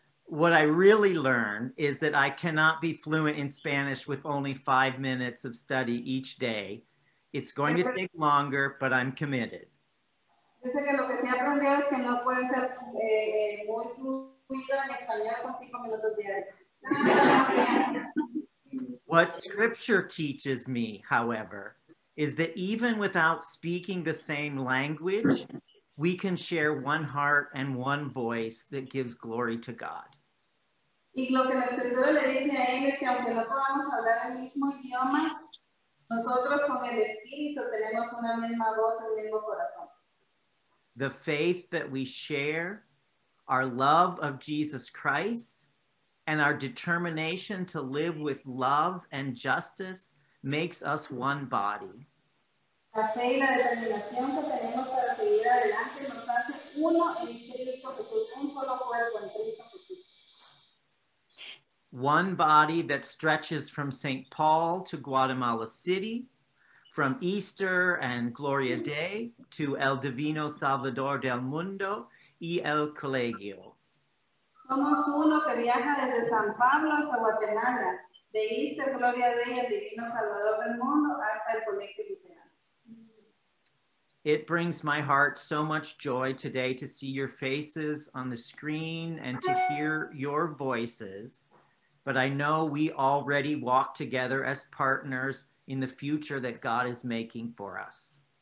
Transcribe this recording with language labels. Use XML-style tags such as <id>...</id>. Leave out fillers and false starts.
<en>What I really learned is that I cannot be fluent in Spanish with only 5 minutes of study each day. It's going to take longer, but I'm committed.</en> <es>Dice que lo que se aprendió es que no puede ser muy fluido en español,</es> <en>What scripture teaches me, however, is that even without speaking the same language, we can share one heart and one voice that gives glory to God.</en> <es>Y lo que la escritura le dice a él es que aunque no podamos hablar el mismo idioma, nosotros con el Espíritu tenemos una misma voz, un mismo corazón.</es> <en>The faith that we share, our love of Jesus Christ, and our determination to live with love and justice makes us one body.</en> <es>La fe y la determinación que tenemos para seguir adelante nos hace uno en Cristo Jesús, un solo cuerpo en Cristo.</es> <en>One body that stretches from St. Paul to Guatemala City, from Easter and Gloria Day to El Divino Salvador del Mundo y El Colegio.</en> <es>Somos uno que viaja desde San Pablo hasta Guatemala, de Easter, Gloria Day, El Divino Salvador del Mundo hasta El Colegio.</es> <en>It brings my heart so much joy today to see your faces on the screen and to hear your voices. But I know we already walk together as partners in the future that God is making for us.</en>